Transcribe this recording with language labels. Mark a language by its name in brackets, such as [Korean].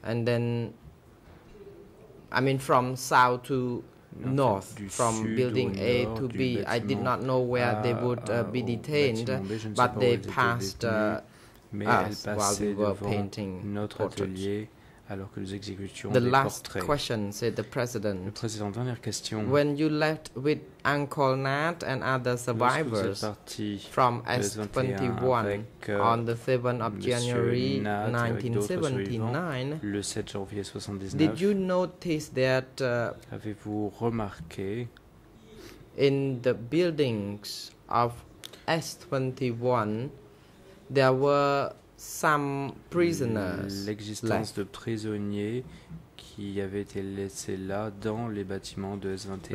[English] And then, I mean, from south to north, from building A to B. I did not know where they would be detained, but they passed. [French] Mais elle passait devant notre atelier alors que nous exécutions [English] the [French] des [English] last [French] portraits. [English] Question, said the president. [French] Le président, dernière question. [English] When you left with Uncle Nat and other survivors from S21 on the 7th of January 1979, did you notice that [French] avez-vous remarqué [English] in the buildings of S21 there were some prisoners [French] l'existence de prisonniers qui avaient été laissés là dans les bâtiments de S21.